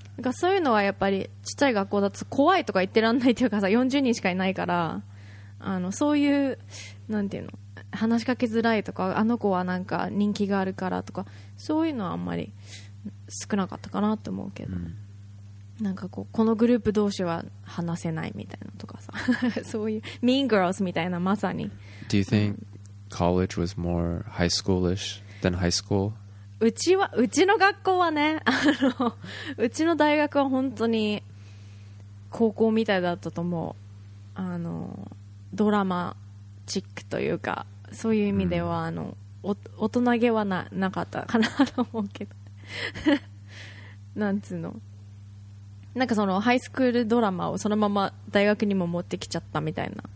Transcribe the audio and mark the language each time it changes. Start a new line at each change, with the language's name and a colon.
Japanese: なんかそういうのはやっぱりちっちゃい学校だと怖いとか言ってらんないっていうかさ、40人しかいないから、あのそういうなんていうの、話しかけづらいとか、あの子はなんか人気があるからとか、そういうのはあんまり少なかったかなと思うけど、なんかこうこのグループ同士は話せないみたいなとかさそういう Mean Girls みたいな、まさに。
English: Do you think college was more high schoolish than high school?
Japanese: うちの学校はね、あのうちの大学は本当に高校みたいだったと思う。あのドラマチックというか、そういう意味では、あの大人げはなかったかなと思うけどなんつーの、なんかそのハイスクールドラマをそのまま大学にも持ってきちゃったみたいな。